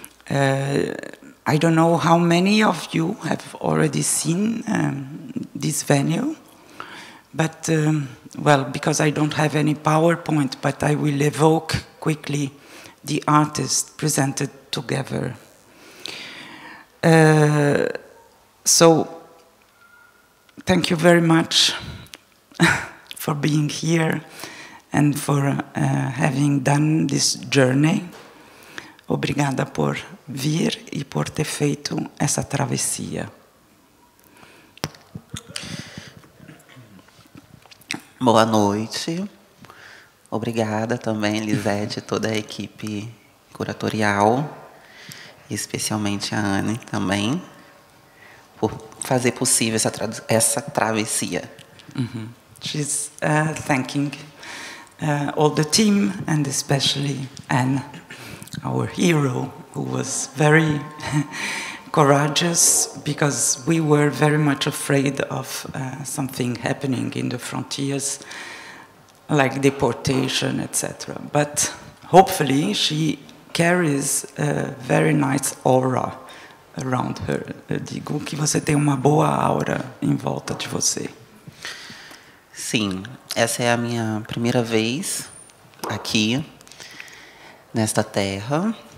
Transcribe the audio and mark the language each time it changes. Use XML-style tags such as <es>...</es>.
<en>I don't know how many of you have already seen this venue, but, well, because I don't have any PowerPoint, but I will evoke quickly the artists presented together. So, thank you very much for being here and for having done this journey.</en> <pt>Obrigada por vir e por ter feito essa travessia. Boa noite. Obrigada também, Lisette, e toda a equipe curatorial, especialmente a Anne também, por fazer possível essa, essa travessia.</pt> <en>She's thanking all the team and especially Anne, our hero, who was very courageous because we were very much afraid of something happening in the frontiers, like deportation, etc. But hopefully she carries a very nice aura around her.</en> <pt>Eu digo que você tem uma boa aura em volta de você. Sim, essa é a minha primeira vez aqui nesta terra.</pt>